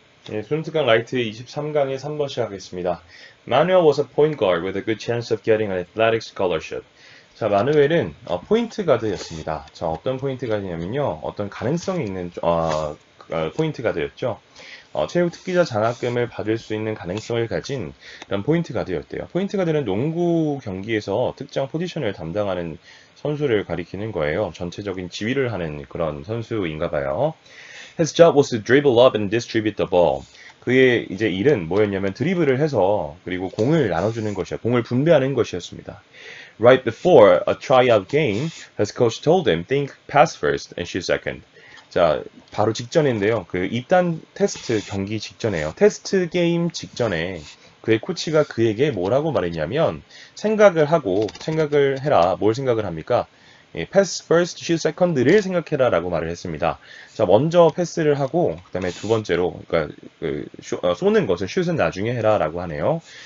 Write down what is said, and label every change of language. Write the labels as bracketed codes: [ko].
[ko] 네, 손수강 라이트 23강의 3번 시작하겠습니다. [en] Manuel was a point guard with a good chance of getting an athletic scholarship. [ko] 자, 마누엘은 포인트 가드였습니다. 자, 어떤 포인트 가드냐면요. 어떤 가능성이 있는 포인트 가드였죠. 체육 특기자 장학금을 받을 수 있는 가능성을 가진 그런 포인트 가드였대요. 포인트 가드는 농구 경기에서 특정 포지션을 담당하는 선수를 가리키는 거예요. 전체적인 지휘를 하는 그런 선수인가 봐요. [en] His job was to dribble up and distribute the ball. [ko] 그의 이제 일은 뭐였냐면 드리블을 해서 그리고 공을 나눠주는 것이야. 공을 분배하는 것이었습니다. [en] Right before a tryout game, his coach told him, think pass first and shoot second. [ko] 자, 바로 직전인데요. 그 입단 테스트 경기 직전에요. 테스트 게임 직전에 그의 코치가 그에게 뭐라고 말했냐면 생각을 해라. 뭘 생각을 합니까? 예, [en] pass first, shoot second [ko] 를 생각해라 라고 말을 했습니다. 자, 먼저 패스를 하고, 그 다음에 두 번째로, 그러니까 쏘는 것을, shoot은 나중에 해라 라고 하네요.